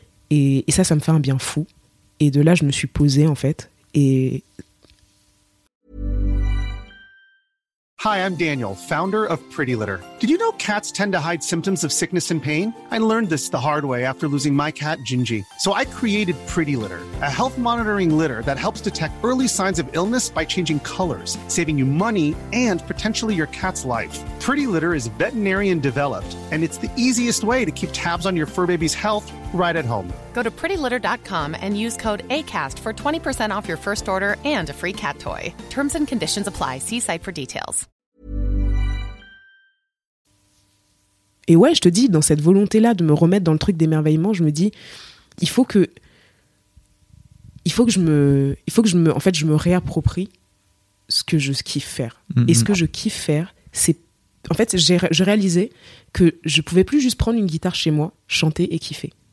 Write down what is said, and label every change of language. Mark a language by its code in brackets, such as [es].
[fr] Et ça me fait un bien fou. Et de là, je me suis posée, en fait. Et... [en] Hi, I'm Daniel, founder of Pretty Litter. Did you know cats tend to hide symptoms of sickness and pain? I learned this the hard way after losing my cat, Gingy. So I created Pretty Litter, a health monitoring litter that helps detect early signs of illness by changing colors, saving you money and potentially your cat's life. Pretty Litter is veterinarian developed, and it's the easiest way to keep tabs on your fur baby's health right at home. Go to prettylitter.com and use code ACAST for 20% off your first order and a free cat toy. Terms and conditions apply. See site for details. [fr] Et ouais, je te dis, dans cette volonté-là de me remettre dans le truc d'émerveillement, je me dis, il faut que je me réapproprie ce que je kiffe faire. Mm-hmm. Et ce que je kiffe faire, c'est... En fait, je réalisais que je pouvais plus juste prendre une guitare chez moi, chanter et kiffer.